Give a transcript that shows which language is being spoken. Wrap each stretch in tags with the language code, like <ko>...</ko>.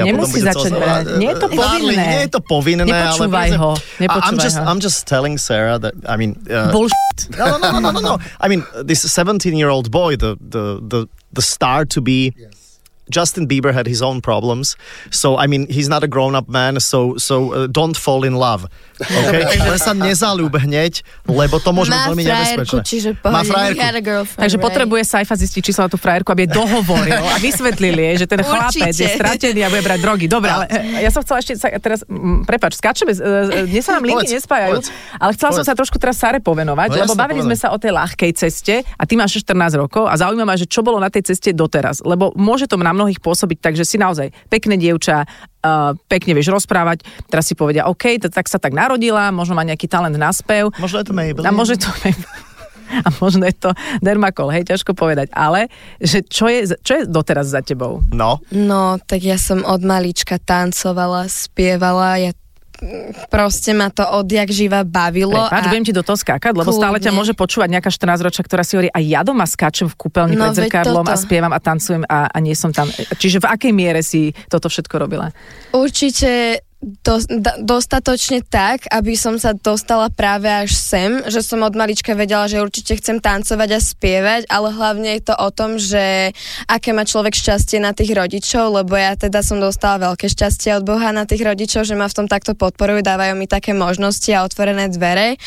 <sk>A nemusí potom začať brať, nie je to povinné. Nie je to povinné. Nepočúvaj ho.</sk> <en>I'm just telling Sarah that I mean bullshit. No. I mean this 17-year-old boy, the star to be. Yes. Justin Bieber had his own problems, so I mean he's not a grown-up man. So don't fall in love. Okay.</en> <sk>Ale sa nezaľúb hneď, lebo to môže byť veľmi nebezpečné. Má frajerku. Takže potrebuje Saifa zistiť, či sa na tú frajerku, aby dohovoril a vysvetlil jej, že ten chlapec je stratený a bude brať drogy. Dobre, ale ja som chcela ešte teraz, prepáč, skáčeme, nie sa nám linky nespájajú, ale chcela som sa trošku teraz Sare povenovať, lebo bavili sme sa o tej ľahkej ceste a ty máš 14 rokov a zaujíma ma, že čo bolo na tej ceste doteraz, lebo môže to na mnohých pôsobiť, takže si naozaj pekné dievča. Pekne vieš rozprávať, teraz si povedia OK, tak sa tak narodila, možno má nejaký talent na spev. Možno je to Maybelline. A možno je to a možno je to Dermacol, hej, ťažko povedať. Ale že čo je doteraz za tebou? No. No, tak ja som od malička tancovala, spievala, ja proste ma to odjak živa bavilo. Prepač, budem ti do toho skákať, lebo kľudne. Stále ťa môže počúvať nejaká 14-ročka, ktorá si hovorí, a ja doma skáčem v kúpeľni pred zrkadlom a spievam a tancujem a nie som tam. Čiže v akej miere si toto všetko robila? Určite dostatočne tak, aby som sa dostala práve až sem, že som od malička vedela, že určite chcem tancovať a spievať, ale hlavne je to o tom, že aké má človek šťastie na tých rodičov, lebo ja teda som dostala veľké šťastie od Boha na tých rodičov, že ma v tom takto podporujú, dávajú mi také možnosti a otvorené dvere.</sk>